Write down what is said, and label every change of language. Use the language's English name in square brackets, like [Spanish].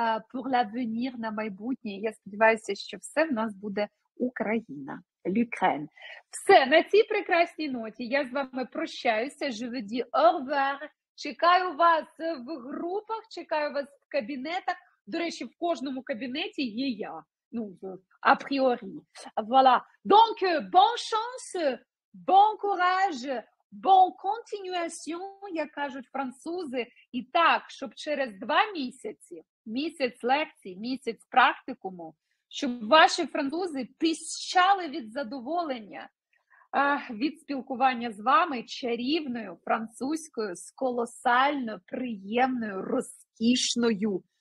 [Ukrainian] Pour l'avenir, на майбутнє. Я сподіваюся, що все в нас буде Україна, l'Ukraine. Все, на цій прекрасній ноті я з вами прощаюся, je vous dis au revoir. Чекаю вас в групах, чекаю вас в кабінетах. До речі, в кожному кабінеті є я. Ну, апріорі. Voilà. [French] Donc, bon chance, bon courage, bon continuation, як кажуть французи. [Ukrainian] І так, щоб через два місяці, місяць лекцій, місяць практикуму, щоб ваші французи пищали від задоволення, від спілкування з вами чарівною французькою, з колосально приємною, розкішною